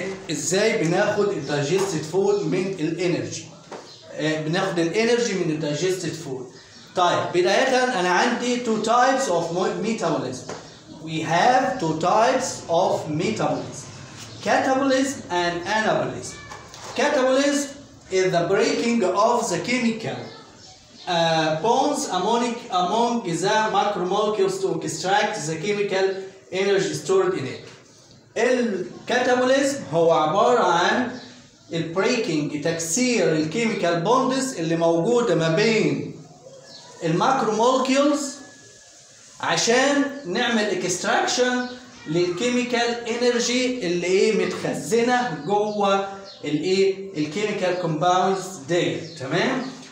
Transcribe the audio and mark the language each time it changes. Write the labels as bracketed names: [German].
[Arabic] ازاي بناخد الدايجستد فود من الانرجي, بناخد الانرجي من الدايجستد فود. طيب بدايه انا عندي [English] Two types of metabolism. We have two types of metabolism, catabolism and anabolism. Catabolism is the breaking of the chemical bonds among the macromolecules to extract the chemical energy stored in it. [Arabic] الكاتابوليزم هو عبارة عن البريكنج, تكسير الكيميكال بوندز اللي موجودة ما بين الماكرومولكيولز عشان نعمل اكستراكشن للكيميكال انرجي اللي ايه متخزنة جوه الايه الكيميكال كومباوندز دي, تمام.